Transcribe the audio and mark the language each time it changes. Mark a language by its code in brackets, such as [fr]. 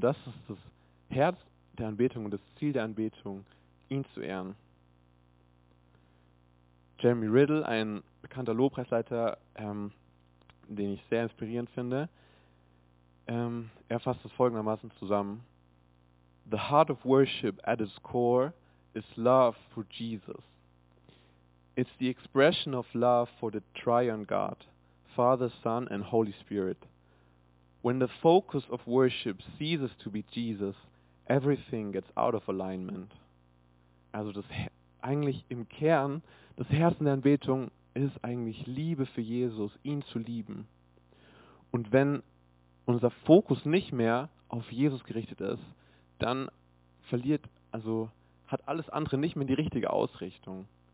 [de] Das ist das Herz der Anbetung und das Ziel der Anbetung, ihn zu ehren. Jeremy Riddle, ein bekannter Lobpreisleiter, den ich sehr inspirierend finde, er fasst es folgendermaßen zusammen. [en] The heart of worship at its core is love for Jesus. It's the expression of love for the triune God, Father, Son and Holy Spirit. When the focus of worship ceases to be Jesus, everything gets out of alignment. [de] Also das eigentlich im Kern, das Herzen der Anbetung ist eigentlich Liebe für Jesus, ihn zu lieben. Und wenn unser Fokus nicht mehr auf Jesus gerichtet ist, dann hat alles andere nicht mehr die richtige Ausrichtung.